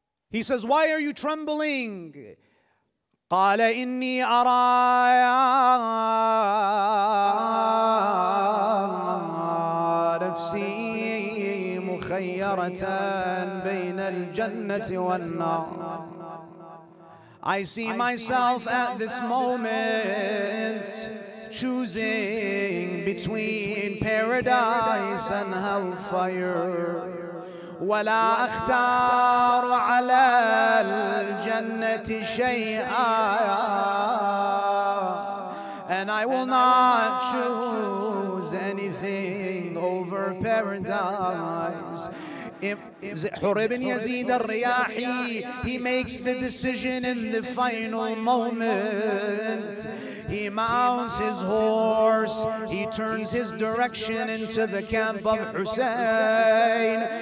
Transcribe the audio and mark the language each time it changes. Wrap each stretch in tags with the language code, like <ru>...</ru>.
<en>He says, "Why are you trembling?"</en> <ar>قَالَ إِنِّي أَرَى نَفْسِي مُخَيَّرَةً بَيْنَ الْجَنَّةِ وَالنَّارِ.</ar> <en>I see myself at this moment choosing between paradise and hellfire.</en> <ar>ولا أختار على الجنة شيئا.</ar> <en>And I will not choose anything over paradise. Hur ibn Yazid al-Riyahi, he makes the decision in the final moment. He mounts his horse, he turns his direction into the camp of Hussein.</en>